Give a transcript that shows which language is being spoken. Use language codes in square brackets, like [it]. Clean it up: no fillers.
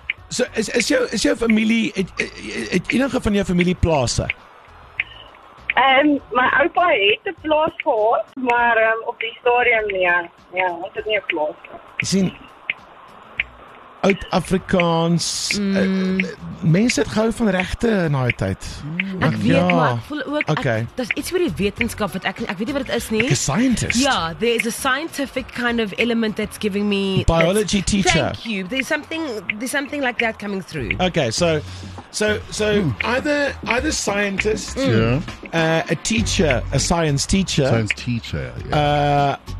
[en] So is your family, [af] enige van [en] your family [af] plase? My oupa het 'n plaas gehad, maar op die stadium nie. Ja, ons het nie 'n plaas. Sien, Afrikaans, mense het gehou van regte in daai tyd. Ek weet, maar ek voel ook, daar's iets oor die wetenskap wat ek weet nie wat dit is nie. [en] Like a scientist. Yeah, there is a scientific kind of element that's giving me... Biology teacher. Thank you. There's something like that coming through. Okay, so either scientist, yeah. A teacher, a science teacher. Science teacher, yeah.